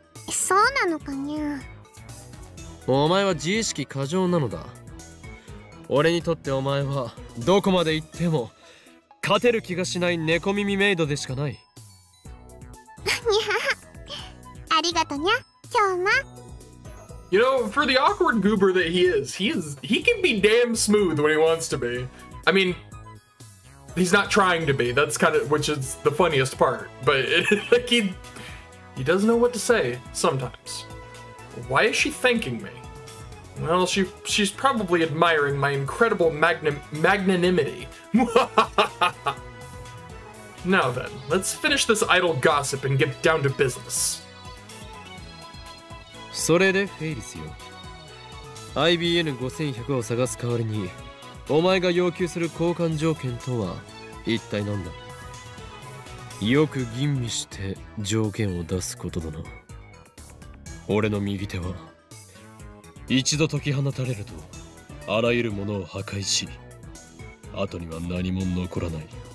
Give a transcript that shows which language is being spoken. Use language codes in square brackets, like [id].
[ja] そうなのかにゃ。お前は自意識過剰なのだ。俺にとってお前は、どこまで行っても、勝てる気がしない猫耳メイドでしかない。にゃ、ありがとにゃ、今日も。 [en] You know, for the awkward goober that he can be damn smooth when he wants to be. I mean, he's not trying to be, that's kind of, which is the funniest part. But, like, he does know what to say, sometimes. Why is she thanking me? Well, she's probably admiring my incredible magnanimity. Now then, let's finish this idle gossip and get down to business. [ja] それでフェイリスよ。 IBN5100 を探す代わりに、お前が要求する交換条件とは一体なんだ？よく吟味して条件を出すことだな。俺の右手は、一度解き放たれると、あらゆるものを破壊し、後には何も残らない。